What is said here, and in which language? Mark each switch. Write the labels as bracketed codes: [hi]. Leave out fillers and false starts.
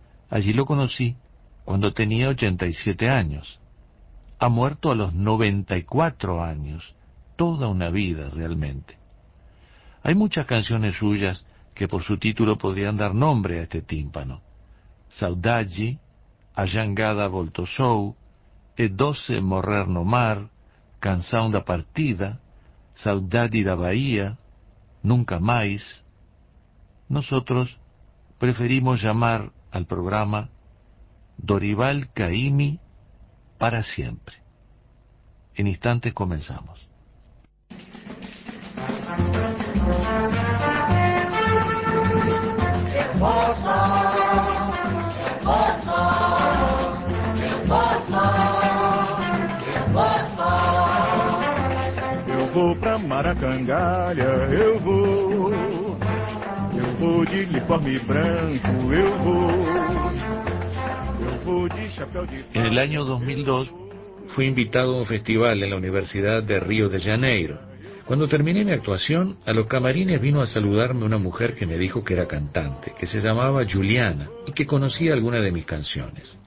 [es] Allí lo conocí cuando tenía 87 años. Ha muerto a los 94 años, toda una vida realmente. Hay muchas canciones suyas que por su título podrían dar nombre a este tímpano. [pt] Saudade, A Jangada Volto Sou, E Doce Morrer no Mar, Canção da Partida, Saudade da Bahia, Nunca Mais. [es] Nosotros preferimos llamar al programa Dorival Caymmi para siempre. En instantes comenzamos. [pt] Eu vou pra Maracangalha, eu vou. Eu vou de uniforme branco, eu vou. Eu vou de chapéu de palha. [es] En el año 2002 fui invitado a un festival en la Universidad de Río de Janeiro. Cuando terminé mi actuación, a los camarines vino a saludarme una mujer que me dijo que era cantante, que se llamaba Juliana y que conocía alguna de mis canciones.